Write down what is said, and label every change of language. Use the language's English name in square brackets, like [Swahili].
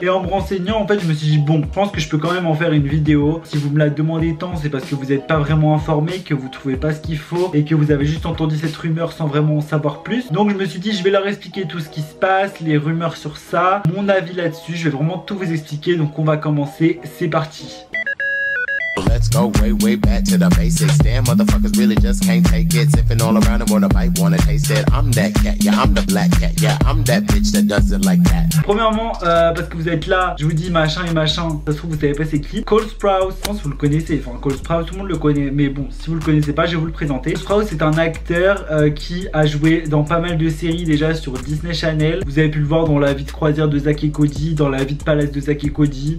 [French] Et en me renseignant, en fait, je me suis dit, bon, je pense que je peux quand même en faire une vidéo. Si vous me la demandez tant, c'est parce que vous n'êtes pas vraiment informé, que vous trouvez pas ce qu'il faut et que vous avez juste entendu cette rumeur sans vraiment en savoir plus. Donc je me suis dit, je vais leur expliquer tout ce qui se passe, les rumeurs sur ça, mon avis là-dessus. Je vais vraiment tout vous expliquer. Donc on va commencer, c'est parti. [English] Let's go way, way back to the basics. Damn, motherfuckers really just can't take it. Sipping all around and wanna bite, wanna taste it. I'm that cat, yeah, I'm the black cat. Yeah, I'm that bitch that does it like that. [French] Premièrement, parce que vous êtes là, je vous dis machin et machin. Ça se trouve, vous savez pas c'est qui? Cole Sprouse. Je pense que vous le connaissez. Enfin, Cole Sprouse, tout le monde le connaît. Mais bon, si vous le connaissez pas, je vais vous le présenter. Cole Sprouse, c'est un acteur qui a joué dans pas mal de séries déjà sur Disney Channel. Vous avez pu le voir dans La vie de croisière de Zack et Cody, dans La vie de palace de Zack et Cody.